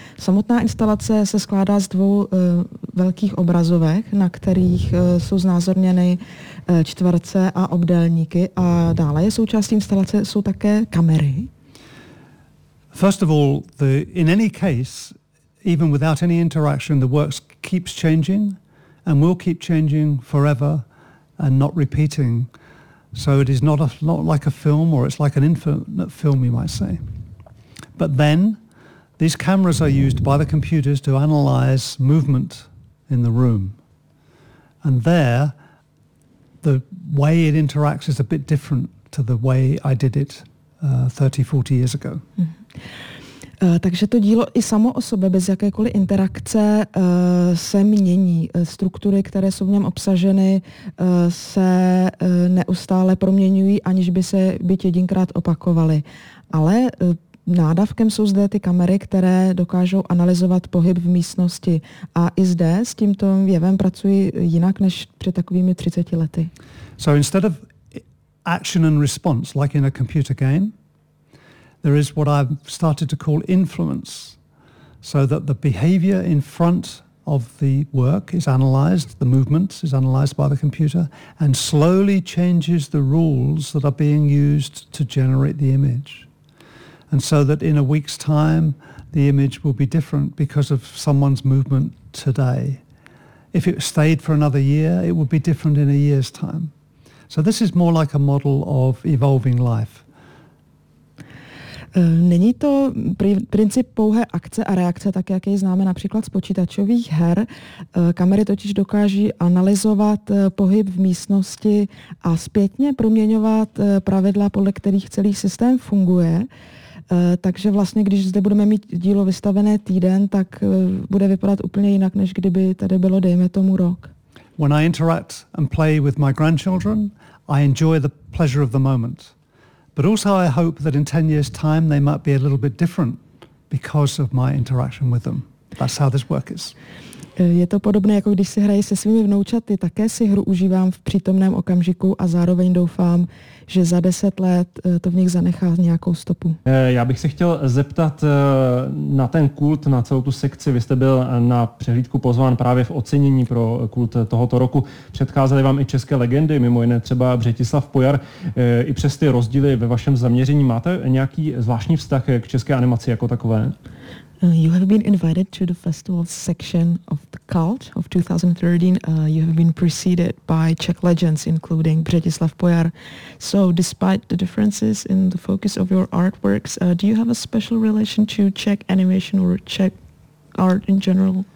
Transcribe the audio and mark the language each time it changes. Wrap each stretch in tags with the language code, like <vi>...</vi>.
<cs>Samotná instalace se skládá z dvou velkých obrazovek, na kterých jsou znázorněny čtverce a obdélníky, a dále je součástí instalace jsou také kamery.</cs> <en>First of all, in any case, even without any interaction, the work keeps changing and will keep changing forever and not repeating. So it is not like a film, or it's like an infinite film, you might say. But then these cameras are used by the computers to analyze movement in the room. And there, the way it interacts is a bit different to the way I did it 30, 40 years ago. Mm-hmm.</en> <cs>Takže to dílo i samo o sobě, bez jakékoliv interakce, se mění. Struktury, které jsou v něm obsaženy, se neustále proměňují, aniž by se byť jedinkrát opakovaly. Ale nádavkem jsou zde ty kamery, které dokážou analyzovat pohyb v místnosti. A i zde s tímto jevem pracuji jinak než před takovými 30 lety.</cs> <en>So instead of action and response, like in a computer game, there is what I've started to call influence, so that the behavior in front of the work is analyzed, the movement is analyzed by the computer, and slowly changes the rules that are being used to generate the image. And so that in a week's time, the image will be different because of someone's movement today. If it stayed for another year, it would be different in a year's time. So this is more like a model of evolving life.</en> <cs>Není to princip pouhé akce a reakce, tak jak jej známe například z počítačových her. Kamery totiž dokáží analyzovat pohyb v místnosti a zpětně proměňovat pravidla, podle kterých celý systém funguje. Takže vlastně, když zde budeme mít dílo vystavené týden, tak bude vypadat úplně jinak, než kdyby tady bylo, dejme tomu, rok.</cs> <en>When I interact and play with my grandchildren, I enjoy the pleasure of the moment. But also I hope that in 10 years' time they might be a little bit different because of my interaction with them. That's how this work is.</en> <cs>Je to podobné, jako když si hraji se svými vnoučaty. Také si hru užívám v přítomném okamžiku a zároveň doufám, že za 10 let to v nich zanechá nějakou stopu. Já bych se chtěl zeptat na ten kult, na celou tu sekci. Vy jste byl na přehlídku pozván právě v ocenění pro kult tohoto roku. Předcházely vám i české legendy, mimo jiné třeba Břetislav Pojar. I přes ty rozdíly ve vašem zaměření máte nějaký zvláštní vztah k české animaci jako takové?</cs> <en>You have been invited to the festival section of the cult of 2013. You have been preceded by Czech legends, including Břetislav Pojar. So despite the differences in the focus of your artworks, do you have a special relation to Czech animation or Czech art in general?</en>